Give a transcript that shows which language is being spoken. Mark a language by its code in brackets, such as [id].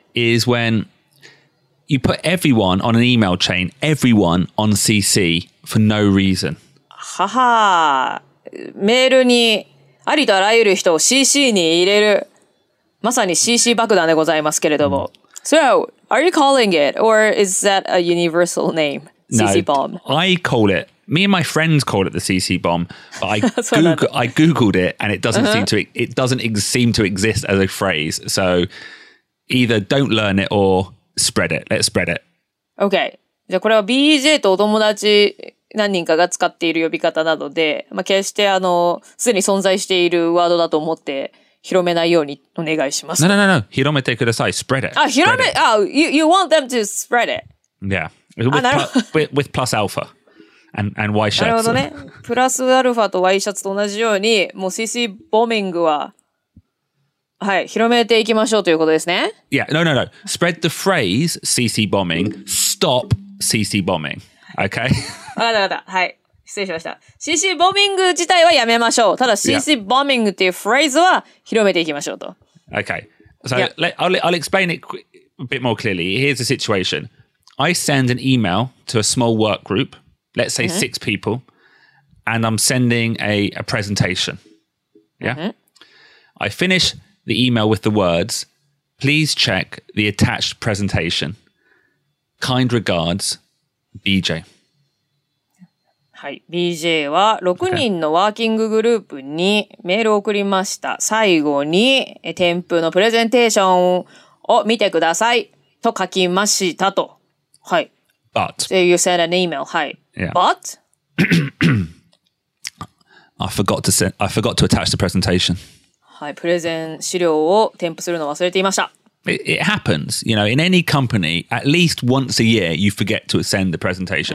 [en] is when you put everyone on an email chain, everyone on CC for no reason. [ja] ははメールに。ありとあらゆる人を CC に入れる。まさに CC 爆弾でございますけれども。 [en] So, are you calling it? Or is that a universal name? CC bomb. No, I call it. Me and my friends call it the CC bomb. But I googled it and it doesn't seem to exist as a phrase. So, either don't learn it or spread it. Let's spread it. Okay. [ja] じゃあこれは BJ とお友達。何人かが使っている呼び方なので、まあ、決して、すでに存在しているワードだと思って、広めないようにお願いします。 [en] No, no, no, no. [ja] 広めてください。 [en] Spread it. [ja] あ、広め、あ、 [en] you want them to spread it. Yeah. With plus alpha. and Y シャツ。 [ja] なるほどね。プラスアルファと Y シャツと同じように、もう CC ボーミングは、はい、広めていきましょうということですね。 [en] Yeah, no, no, no. Spread the phrase CC bombing, stop CC bombing. Okay? [ja] わかったわかった。はい。失礼しました。 CC ボーミング自体はやめましょう。ただ CC ボーミングっていうフレーズは広めていきましょうと。 [en] Okay. So,、yeah. I'll explain it a bit more clearly. Here's the situation. I send an email to a small work group, let's say、mm-hmm. six people, and I'm sending a presentation. Yeah?、Mm-hmm. I finish the email with the words, please check the attached presentation. Kind regards, BJ. [ja] はい。BJ は6人のワーキンググループにメールを送りました。最後に、添付のプレゼンテーションを見てくださいと書きましたと。はい。 [en] But. So you sent an email. はい。 Yeah. But? I forgot to attach the presentation. [ja] はい。プレゼン資料を添付するのを忘れていました。 [en] It happens. You know, in any company, at least once a year, you forget to send the presentation,、